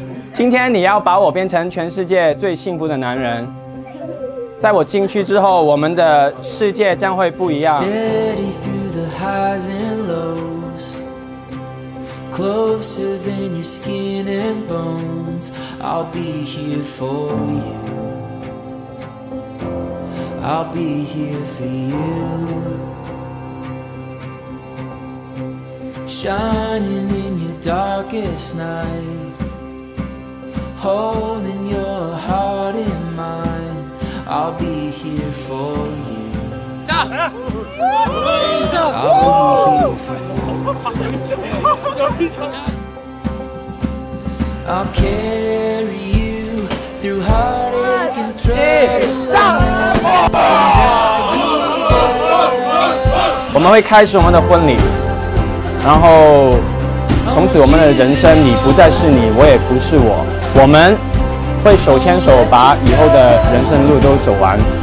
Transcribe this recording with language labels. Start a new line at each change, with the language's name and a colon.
Chinese: 今天你要把我变成全世界最幸福的男人。在我进去之后，我们的世界将会不一样。
English: Steady through the highs and lows, closer than your skin and bones, I'll be here for you. I'll be here for you. Shining in your darkest night, holding your heart in mine, I'll be here for you. I'll be here for you. I'll carry you through heartache and trouble.
Chinese: 我们会开始我们的婚礼。然后从此我们的人生，你不再是你，我也不是我，我们会手牵手把以后的人生路都走完。